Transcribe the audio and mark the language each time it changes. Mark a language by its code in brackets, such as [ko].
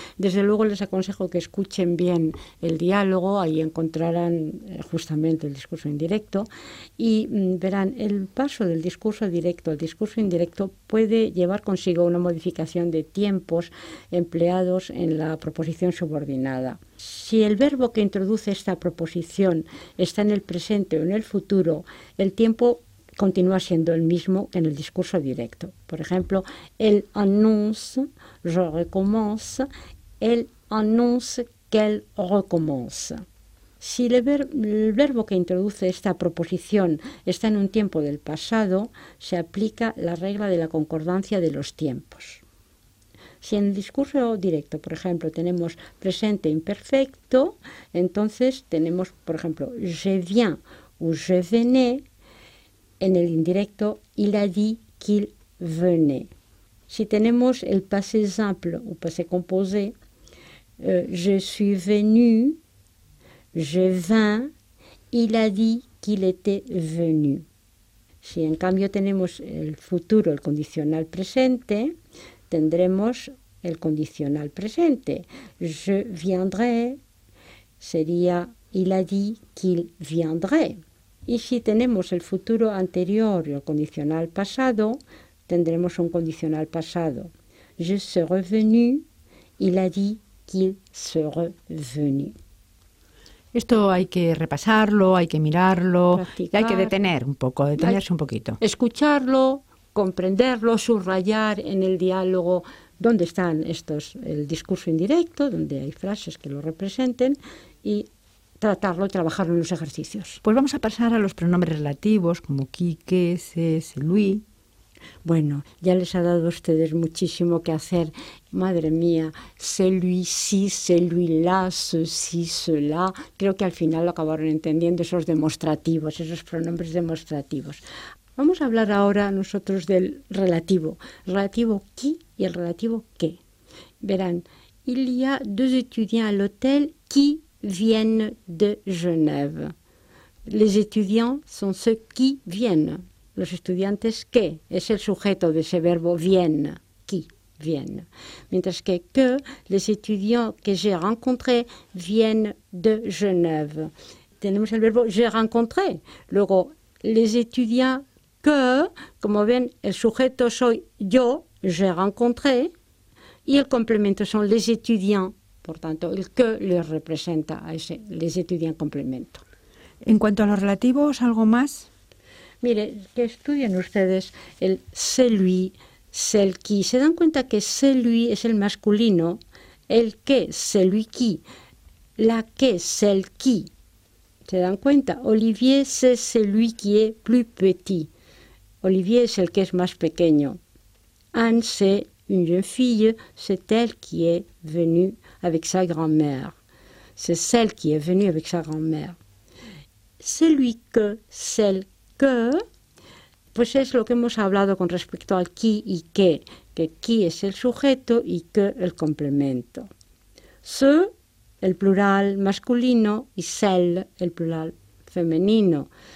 [es] Desde luego les aconsejo que escuchen bien el diálogo, ahí encontrarán justamente el discurso indirecto, y verán, el paso del discurso directo al discurso indirecto puede llevar consigo una modificación de tiempos empleados en la proposición subordinada. Si el verbo que introduce esta proposición está en el presente o en el futuro, el tiempo continúa siendo el mismo en el discurso directo. Por ejemplo, [fr] elle annonce, je recommence, elle annonce qu'elle recommence. [es] Si el verbo que introduce esta proposición está en un tiempo del pasado, se aplica la regla de la concordancia de los tiempos. Si en el discurso directo, por ejemplo, tenemos presente imperfecto, entonces tenemos, por ejemplo, [fr] je viens [es] o [fr] je venais. [es] En el indirecto, [fr] il a dit qu'il venait. [es] Si tenemos el [fr] passé simple o passé composé, je suis venu, je vins, il a dit qu'il était venu. [es] Si en cambio tenemos el futuro, el condicional presente, tendremos el condicional presente. [fr] Je viendrai, [es] sería [fr] il a dit qu'il viendrait. [es] Y si tenemos el futuro anterior y el condicional pasado, tendremos un condicional pasado. [fr] Je suis revenu. Il a dit qu'il serait venu. [es] Esto hay que repasarlo, hay que mirarlo, practicar, y hay que detener un poco, detenerse un poquito. Escucharlo, comprenderlo, subrayar en el diálogo dónde están estos, el discurso indirecto, donde hay frases que lo representen, y tratarlo, trabajarlo en los ejercicios. Pues vamos a pasar a los pronombres relativos, como qui, qué, se, si, lui. Bueno, ya les ha dado a ustedes muchísimo que hacer. Madre mía, [fr] c'est lui, si, c'est lui, là, ceci, cela. [es] Creo que al final lo acabaron entendiendo, esos demostrativos, esos pronombres demostrativos. Vamos a hablar ahora nosotros del relativo. Relativo qui y el relativo qué. [fr] Verán, il y a deux étudiants à l'hôtel qui viennent de Genève. Les étudiants sont ceux qui viennent. [es] Los estudiantes, ¿qué? Es el sujeto de ese verbo viennent, qui, viennent. Mientras que [fr] les étudiants que j'ai rencontrés viennent de Genève. [es] Tenemos el verbo [fr] j'ai rencontré. [es] Luego, [fr] les étudiants [es] que, como ven, el sujeto soy yo, j'ai rencontré, y el complemento son les étudiants. Por tanto, el que les representa a ese [fr] les étudiants [es] complemento. En cuanto a los relativos, ¿algo más? Mire, que estudien ustedes el celui, cel qui. Se dan cuenta que celui es el masculino, el que, celui qui, la que, cel qui. Se dan cuenta, [fr] Olivier, c'est celui qui est plus petit. [es] Olivier es el que es más pequeño. [fr] Anne, c'est une jeune fille, c'est elle qui est venue avec sa grand-mère. C'est celle qui est venue avec sa grand-mère. Celui que, celle qui. [es] Que, pues es lo que hemos hablado con respecto al qui y qué, que qui es el sujeto y que el complemento. Ce, el plural masculino, y celle, el plural femenino.